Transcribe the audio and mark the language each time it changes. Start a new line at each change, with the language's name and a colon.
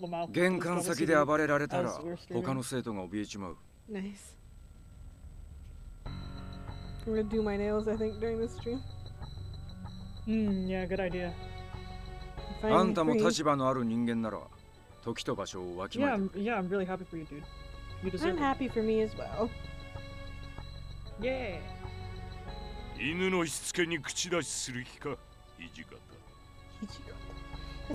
Japanese: 玄関先で暴れられたら他の生徒が怯えちまう。ナイス。
English: I'm gonna do my nails, I think, during this stream. Yeah, good idea.
Japanese: あんたも立場のある人間なら、時と場所をわきまえてくれ。
English: Yeah, I'm really happy for you, dude. You deserve it. I'm happy for me as well. Yeah.
Japanese: 犬のしつけに口出しする気か、ひじかた。